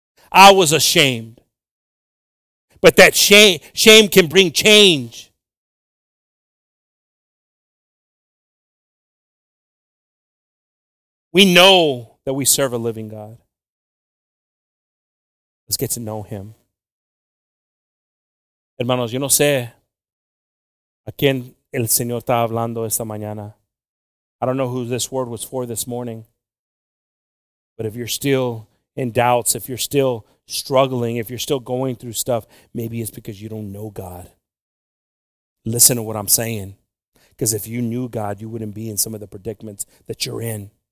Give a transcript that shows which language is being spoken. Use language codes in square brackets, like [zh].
[en] I was ashamed. But that shame can bring change. We know that we serve a living God. Let's get to know him. [es] Hermanos, yo no sé a quién el Señor está hablando esta mañana. [en] I don't know who this word was for this morning. But if you're still in doubts, if you're still struggling, if you're still going through stuff, maybe it's because you don't know God. Listen to what I'm saying. Because if you knew God, you wouldn't be in some of the predicaments that you're in.